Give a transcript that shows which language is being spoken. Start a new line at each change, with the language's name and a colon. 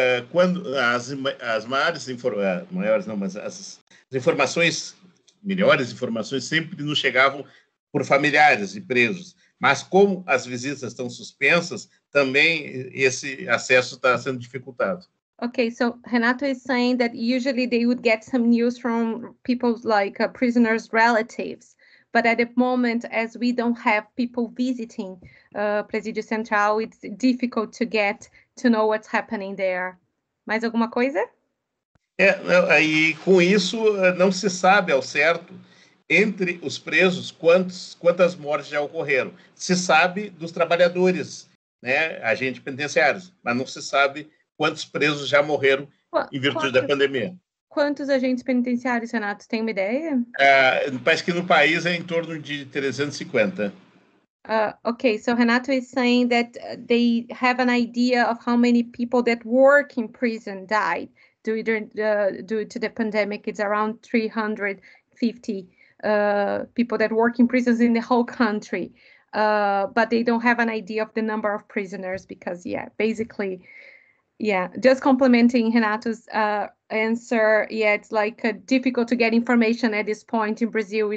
Portuguese: Quando as maiores maiores não, mas as informações, melhores informações sempre nos chegavam por familiares e presos, mas como as visitas estão suspensas, também esse acesso está sendo dificultado.
English: Okay, so Renato is saying that usually they would get some news from people like prisoners' relatives, but at the moment, as we don't have people visiting Presídio Central, it's difficult to get to know what's happening there.
Portuguese: Mais alguma coisa? É, e com isso não se sabe ao certo entre os presos, quantas mortes já ocorreram. Se sabe dos trabalhadores, né, agentes penitenciários, mas não se sabe quantos presos já morreram em virtude da pandemia. Quantos agentes penitenciários, Renato, tem uma ideia? Parece que no país é em torno de 350.
English: Okay, so Renato is saying that they have an idea of how many people that work in prison died due to the pandemic. It's around 350 people that work in prisons in the whole country, but they don't have an idea of the number of prisoners because, yeah, basically, yeah, just complementing Renato's answer, yeah, it's like difficult to get information at this point in Brazil.